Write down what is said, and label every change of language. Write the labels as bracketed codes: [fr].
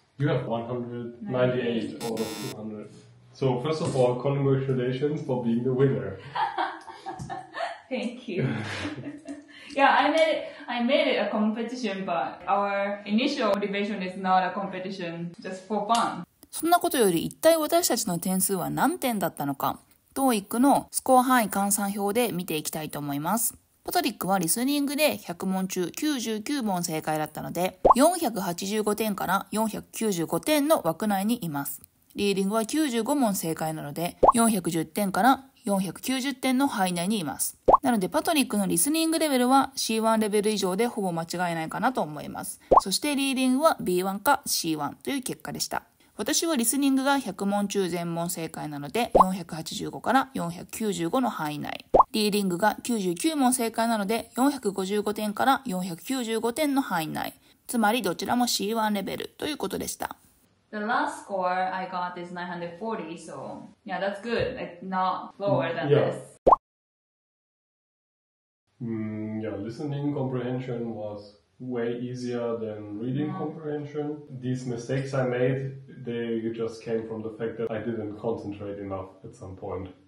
[en] You have 198 out of 200. So first of all, congratulations for being the winner. Thank you. Yeah, I made it a competition, but our initial motivation is not a competition, just for fun. [ja] そんなことより一体私たちの点数は何点だったのか。 TOEICのスコア範囲換算表で見ていきたいと思います。パトリックはリスニングで100問中99問正解だったので485点から495点の枠内にいます。リーディングは95問正解なので410点から490点の範囲内にいます。なのでパトリックのリスニングレベルは C1 レベル以上でほぼ間違いないかなと思います。そしてリーディングは B1 か C1 という結果でした。私はリスニングが100問中全問正解なので485から495の範囲内。リーディングが99問正解なので455点から495点の範囲内。つまりどちらも C1 レベルということでした。 [en] The last score I got is 940, so yeah, that's good. It's not lower than this. Listening comprehension was... way easier than reading comprehension. These mistakes I made, they just came from the fact that I didn't concentrate enough at some point.